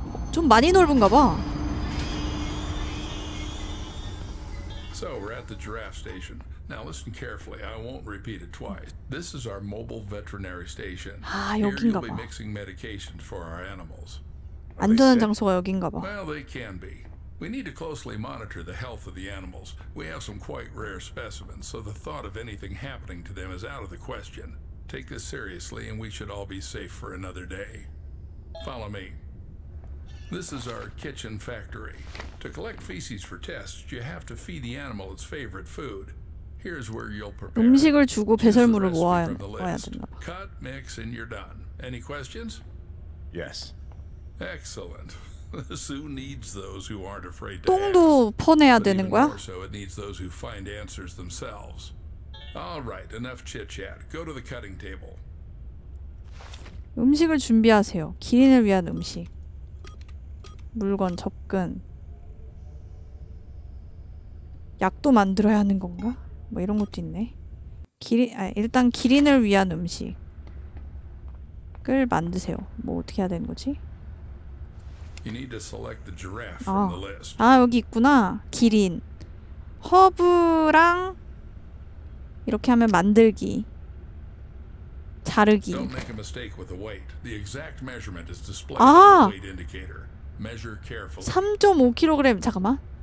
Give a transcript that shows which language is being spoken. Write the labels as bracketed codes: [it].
[ko] 좀 많이 넓은가 봐. [en] So we're at the giraffe station. Now listen carefully. I won't repeat it twice. This is our mobile veterinary station. [ko] 아, 여긴가 봐. [en] We'll be mixing medications for our animals. [ko] 안전한 장소가 여긴가 봐. [en] Well, they can be. We need to closely monitor the health of the animals. We have some quite rare specimens, so the thought of anything happening to them is out of the question. Take this seriously and we should all be safe for another day. Follow me. This is our kitchen factory. To collect feces for tests, you have to feed the animal its favorite food. Here's where you'll prepare. [ko] 음식을 주고 배설물을 모아야 된다. [en] Cut, mix, and you're done. Any questions? Yes. Excellent. The zoo needs those who aren't afraid to. [ko] 똥도 퍼내야 되는 거야? [en] So it needs those who find answers themselves. All right. Enough chit chat. Go to the cutting table. [ko] 음식을 준비하세요. 기린을 위한 음식. 물건 접근. 약도 만들어야 하는 건가? 뭐 이런 것도 있네. 일단 기린을 위한 음식을 만드세요. 뭐 어떻게 해야 되는 거지? [en] You need to select the giraffe from the list. [ko] 아, 여기 있구나. 기린. 허브랑 이렇게 하면 만들기. 자르기. [en] Don't make a mistake with the weight. The exact measurement is displayed on the weight indicator. [ko] 3.5kg. 잠깐만.